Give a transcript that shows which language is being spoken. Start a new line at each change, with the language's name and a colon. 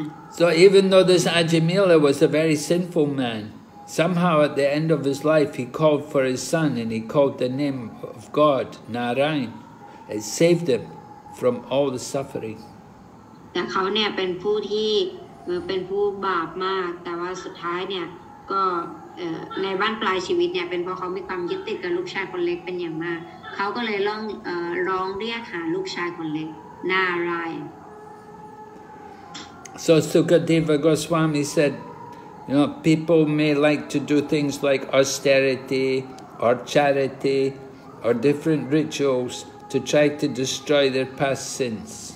English: So even though this Ajamila was a very sinful man, somehow at the end of his life he called for his son and he called the name of God, Narayan. It saved him from all the suffering.
Thai: แต่เขาเนี่ยเป็นผู้ที่เป็นผู้บาปมากแต่ว่าสุดท้ายเนี่ยก็ในบ้านปลายชีวิตเนี่ยเป็นเพราะเขามีความยึดติดกับลูกชายคนเล็กเป็นอย่างมากเขาก็เลยร้องเรียกหาลูกชายคนเล็กนารายณ์
English: So Sukadeva Goswami said you know people may like to do things like austerity or charity or different rituals to try to destroy their past sins